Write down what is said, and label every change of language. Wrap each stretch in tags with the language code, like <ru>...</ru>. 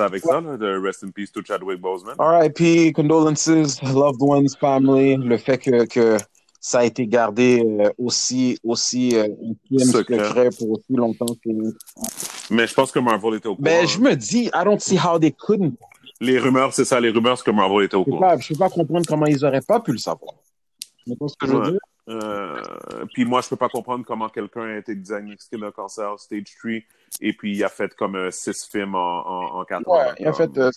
<fr>avec ça, là, de</fr> <en>rest in peace to Chadwick Boseman.</en> <fr>R.I.P.,</fr> <en>condolences, loved ones, family,</en> <fr>le fait que ça a été gardé aussi secret pour aussi longtemps que... Mais je pense que Marvel était au courant. Mais je me dis,</fr> <en>I don't see how they couldn't.</en> <fr>Les rumeurs, c'est ça, les rumeurs, c'est que Marvel était au courant. Je peux pas comprendre comment ils auraient pas pu le savoir. Mais pas ce que je veux dire. Puis moi, je peux pas comprendre comment quelqu'un a été diagnostiqué d'un cancer stage 3 et puis il a fait comme 6 films en 4 ans. Ouais, il a fait.</fr>